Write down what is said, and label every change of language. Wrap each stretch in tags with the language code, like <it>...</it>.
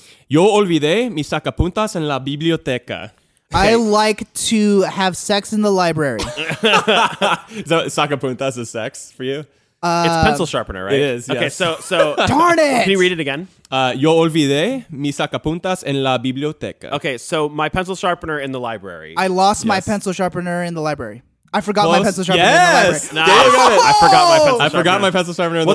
<es>Yo olvidé mis sacapuntas en la biblioteca.</es> <en>Okay. I like to have sex in the library. So sacapuntas is sex for you? It's pencil sharpener, right? It is, yes. Okay, so darn it! Can you read it again?</en> <es>Yo olvidé mis sacapuntas en la biblioteca.</es> <en>Okay, so my pencil sharpener in the library. I lost my pencil sharpener in the library. I forgot my pencil sharpener in the library. Nice. Yeah, got it. I forgot my pencil sharpener. I forgot my pencil sharpener in the</en>